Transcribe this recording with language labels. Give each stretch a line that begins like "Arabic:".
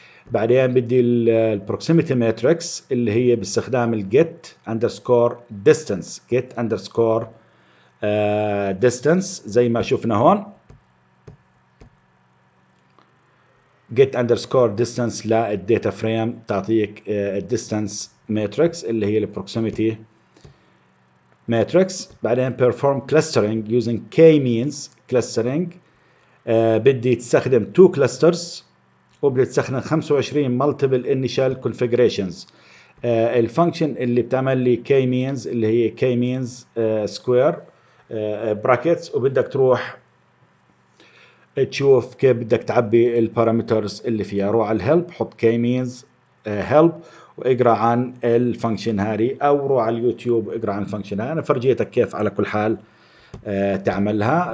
Arabic: بعدين بدي البروكسيميتي ماتريكس اللي هي باستخدام الجيت أندرسكور ديستانس، جيت أندرسكور ديستانس زي ما شفنا هون،
English: get underscore distance
Arabic: للداتا فريم تعطيك الديستانس ماتريكس اللي هي البروكسيميتي ماتريكس. بعدين
English: perform clustering using k means clustering.
Arabic: بدي تستخدم
English: two clusters
Arabic: وبدي تستخدم
English: 25 multiple initial configurations.
Arabic: الفانكشن اللي بتعمل لي k means اللي هي k means square brackets، وبدك تروح تشوف كيف بدك تعبي البارامترز اللي فيها. روح على الهلب، حط كي مينز هلب واقرا عن الفانكشن هاري، او روح على اليوتيوب واقرا عن الفانكشن هاري. انا فرجيتك كيف على كل حال تعملها.